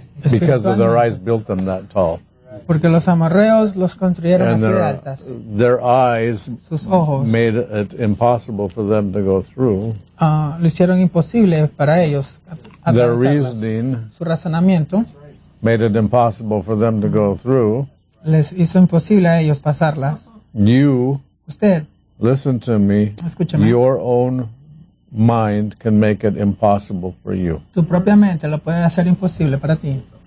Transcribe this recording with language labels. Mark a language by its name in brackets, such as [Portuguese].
[English] Because of their eyes built them that tall. [Spanish] Porque los amorreos los construyeron así de altas. [English] Their eyes [Spanish] sus ojos [English] made it impossible for them to go through. [Spanish] Lo hicieron imposible para ellos. [English] Their reasoning. [Spanish] Su razonamiento. [English] Made it impossible for them to go through. [Spanish] Les hizo imposible a ellos pasarlas. [English] You, [Spanish] usted, [English] listen to me. [Spanish] Escúchame. [English] Your own mind can make it impossible for you. [Spanish] Tu propia mente lo puede hacer imposible para ti.